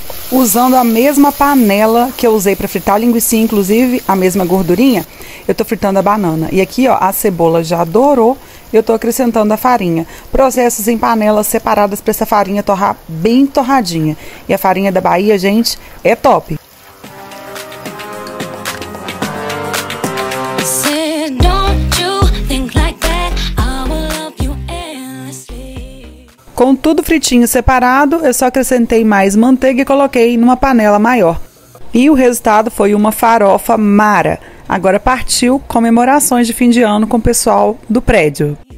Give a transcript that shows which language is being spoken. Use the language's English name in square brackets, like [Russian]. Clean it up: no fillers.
[Portuguese] Usando a mesma panela que eu usei para fritar a linguiça, inclusive a mesma gordurinha, eu tô fritando a banana. E aqui, ó, a cebola já dourou, eu tô acrescentando a farinha. Processos em panelas separadas para essa farinha torrar bem torradinha. E a farinha da Bahia, gente, é top. [English] Don't you think like that? I will love you endlessly. [Portuguese] Com tudo fritinho separado, eu só acrescentei mais manteiga e coloquei numa panela maior. E o resultado foi uma farofa mara. Agora partiu comemorações de fim de ano com o pessoal do prédio.